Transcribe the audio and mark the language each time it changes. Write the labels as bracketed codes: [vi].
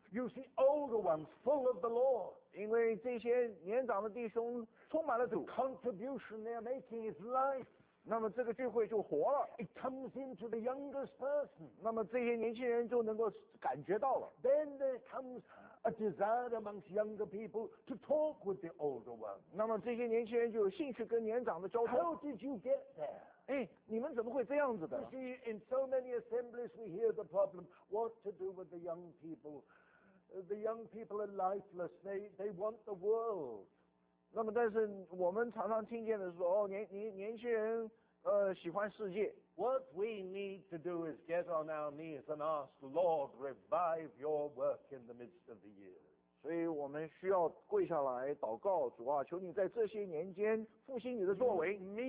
[en] You see older ones full of the Lord. [zh] 因为这些年长的弟兄。充满了主 [en] contribution they are making is life [zh] 那么这个聚会就活了。 [en] It comes into the youngest person. [zh] 那么这些年轻人就能够感觉到了。 [en] Then there comes a desire amongst younger people to talk with the older one. [zh] 那么这些年轻人就有兴趣跟年长的交通。 [en] How did you get there? [zh] 哎，你们怎么会这样子的 [en] ？You see, in so many assemblies, we hear the problem: what to do with the young people? The young people are lifeless. They want the world. [zh] 那么，但是我们常常听见的是说，哦，年轻人，喜欢世界。 [en] What we need to do is get on our knees and ask, Lord, revive your work in the midst of the years. [zh] 所以我们需要跪下来祷告，主啊，求你在这些年间复兴你的作为。